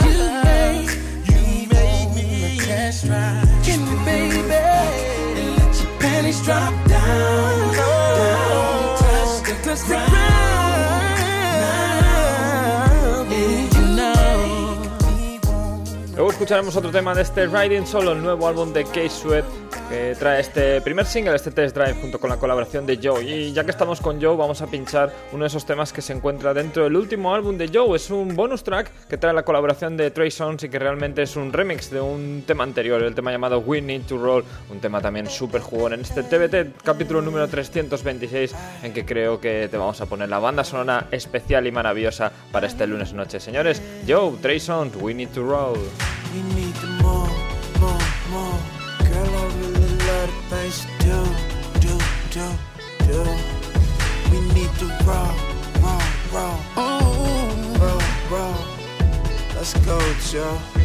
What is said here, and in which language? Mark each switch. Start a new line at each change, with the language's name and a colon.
English: Can you, baby, and let your panties drop down, down, touch the ground, the ground.
Spanish: Luego escucharemos otro tema de este Riding Solo, el nuevo álbum de K-Sweat, que trae este primer single, este Test Drive, junto con la colaboración de Joe. Y ya que estamos con Joe, vamos a pinchar uno de esos temas que se encuentra dentro del último álbum de Joe. Es un bonus track que trae la colaboración de Trey Songz y que realmente es un remix de un tema anterior, el tema llamado We Need to Roll, un tema también súper jugón en este TBT, capítulo número 326, en que creo que te vamos a poner la banda sonora especial y maravillosa para este lunes noche. Señores, Joe, Trey Songz, We Need to Roll.
English: We need the more, more, more. Girl, I really love the things you do, do, do, do. We need to roll, roll, roll. Ooh, roll, roll. Let's go, Joe.